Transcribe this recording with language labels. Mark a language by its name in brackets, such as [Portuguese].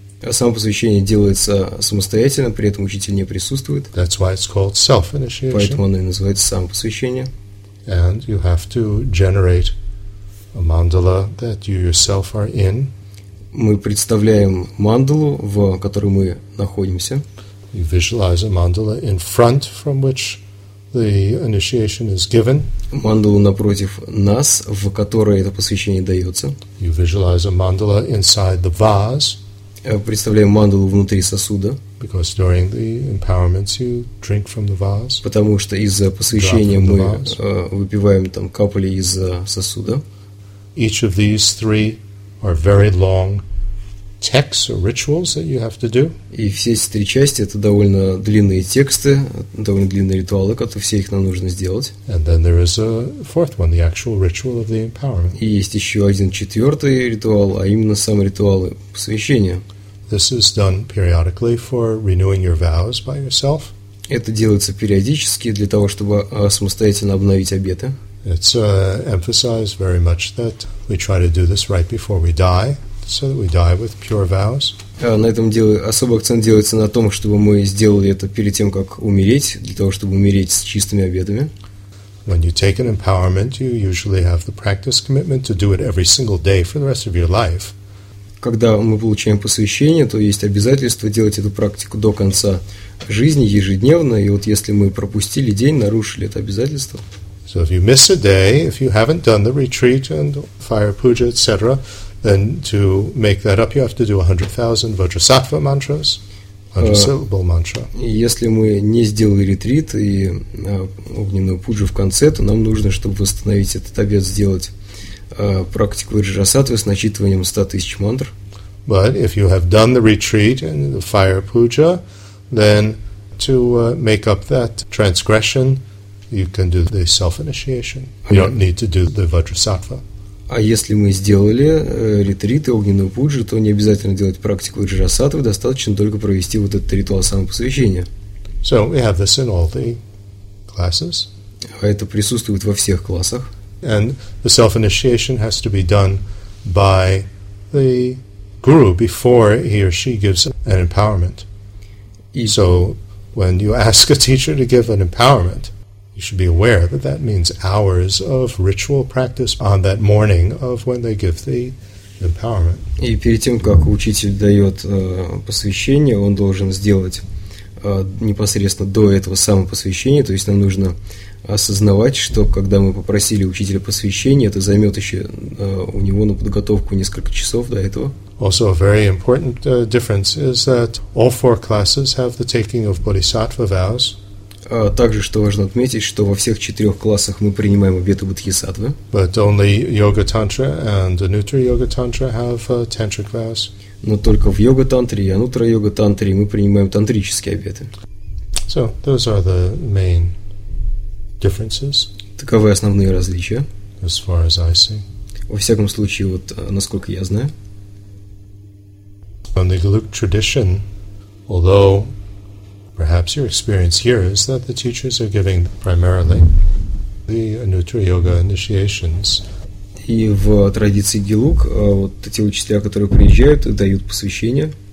[Russian] Само посвящение делается самостоятельно, при этом учитель не присутствует. [English] That's why it's called self-initiation. [Russian] Поэтому оно и называется самопосвящение. [English] And you have to generate a mandala that you yourself are in. [Russian] Мы представляем мандалу, в которой мы находимся. [English] You visualize a mandala in front from which the initiation is given. [Russian] Мандалу напротив нас, в которой это посвящение дается. [English] You visualize a mandala inside the vase. [Russian] Представляем мандалу внутри сосуда. [English] Because during the empowerments you drink from the vase. [Russian] Потому что из-за посвящения мы выпиваем там капли из сосуда. [English] Each of these three are very long texts or rituals that you have to do. [Russian] И все эти три части это довольно длинные тексты, довольно длинные ритуалы, которые все их нам нужно сделать. [English] And then there is a fourth one, the actual ritual of the empowerment. [Russian] И есть еще один четвертый ритуал, а именно сам ритуал посвящения. [English] This is done periodically for renewing your vows by yourself. [Russian] Это делается периодически для того, чтобы самостоятельно обновить обеты. [English] It's emphasized very much that we try to do this right before we die, so that we die with pure vows. [Russian] На этом деле особый акцент делается на том, чтобы мы сделали это перед тем, как умереть, для того, чтобы умереть с чистыми обетами. [English] When you take an empowerment, you usually have the practice commitment to do it every single day for the rest of your life. [Russian] Когда мы получаем посвящение, то есть обязательство делать эту практику до конца жизни ежедневно, и вот если мы пропустили день, нарушили это обязательство. [English] So if you miss a day, if you haven't done the retreat and fire puja, etc., then to make that up, you have to do 100,000 vajrasattva mantras, 100-syllable mantra. [Russian] Если мы не сделали ретрит и огненную пуджу в конце, то нам нужно, чтобы восстановить этот обет, сделать практику вайджрасаттвы с начитыванием 100,000 мантр. [English] But if you have done the retreat and the fire puja, then to make up that transgression, you can do the self-initiation. You don't need to do the vajrasattva. [Russian] А если мы сделали ретрит и огненную пуджу, то не обязательно делать практику вайджрасаттвы, достаточно только провести вот этот ритуал самопосвящения. [English] So we have this in all the classes. [Russian] А это присутствует во всех классах. [English] And the self-initiation has to be done by the guru before he or she gives an empowerment. So when you ask a teacher to give an empowerment, you should be aware that that means hours of ritual practice on that morning of when they give the empowerment. [Russian] И перед тем, как учитель дает посвящение, он должен сделать непосредственно до этого самопосвящения, то есть нам нужно осознавать, что когда мы попросили учителя посвящения, это займет еще у него на подготовку несколько часов до этого. [English] Also a very important difference is that all four classes have the taking of bodhisattva vows. [Russian] Также, что важно отметить, что во всех четырех классах мы принимаем обеты бодхисаттвы. [English] But only yoga tantra and anutra yoga tantra have a tantric vows. [Russian] Но только в йога-тантре и анутра-йога-тантре мы принимаем тантрические обеты. [English] So those are the main differences. [Russian] Таковы основные различия. [English] As far as I see. [Russian] Во всяком случае, вот насколько я знаю. [English] From the Geluk tradition, although perhaps your experience here is that the teachers are giving primarily the Anuttara Yoga initiations. [Russian] И в традиции Гелук вот эти учителя, которые приезжают, дают посвящение.